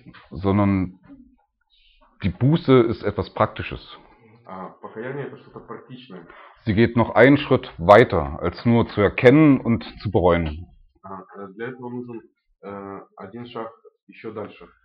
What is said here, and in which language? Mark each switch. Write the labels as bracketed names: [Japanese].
[German] Sondern die Buße ist etwas Praktisches. [Russian] Покаяние это что-то практичное. [German] Sie geht noch einen Schritt weiter, als nur zu erkennen und zu bereuen. [Russian] Для этого нужен один шаг еще дальше.